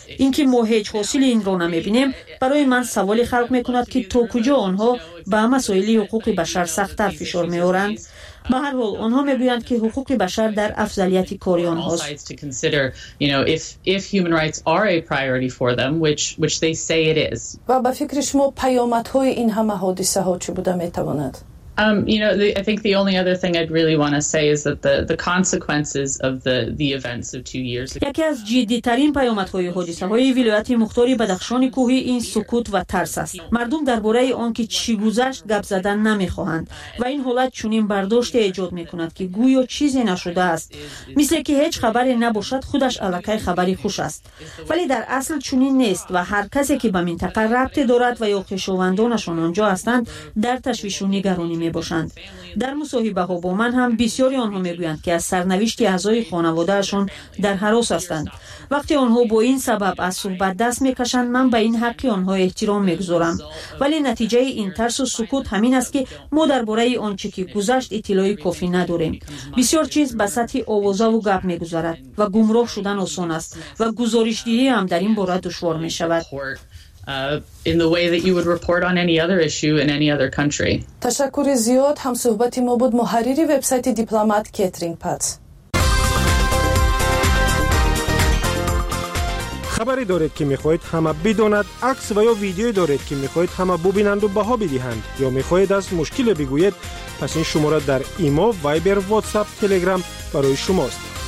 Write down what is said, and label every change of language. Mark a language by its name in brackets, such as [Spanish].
[Persian] اینکه ما هیچ حاصل این را نمی بینیم برای من سوالی خلق می کند که تا کجا آنها به مسائل حقوق بشر سخت‌تر فشار می آورند. به هر حال آنها می گویند که حقوق بشر در افضلیت کاری آنها است. و به فکر شما پیامدهای این همه حادثه ها چی بوده می تواند؟ [English] I think the only other thing I'd really want to say is that the consequences of the events of 2 years ago. [Persian] یکی از جدی‌ترین پیامدهای حادثه‌های ولایت مختاری بدخشان کوهی این سکوت و ترس است. مردم درباره آن که چی گذشت گپ زدن نمی‌خواهند و این حالت چنین برداشت ایجاد می‌کند که گویو چیزی نشده است. مثل که هیچ خبری نباشد خودش علاقه خبری خوش است. ولی در اصل چنین نیست و هر کسی که به منطقه ربط دارد و یا خویشاوندانشان آنجا هستند در تشویش و نگرانی می باشند. در مصاحبه ها با من هم بسیاری آنها می گویند که از سرنوشت اعضای خانواده اشون در هراس هستند. وقتی آنها با این سبب از صحبت دست می کشند من به این حقی آنها احترام می گذارم. ولی نتیجه این ترس و سکوت همین است که ما درباره آنچه که گذشت اطلاع کافی نداریم. بسیار چیز به سطح آوازه و گپ می گذارد و گمراه شدن آسان است و گزارش دهی هم در این باره دشوار می شود. [English] In the way that you would report on any other issue in any other country. [Persian] تشکر زیاد هم صحبت ما بود محرری وبسایت دیپلمات کترینگ پات. خبری دارید که میخواهید همه بدانند، عکس و یا ویدیویی دارید که میخواهید همه ببینند و بها بدهند یا میخواهید از مشکل بگویید، پس این شماره در ایمو، وایبر، واتساپ، تلگرام برای شماست.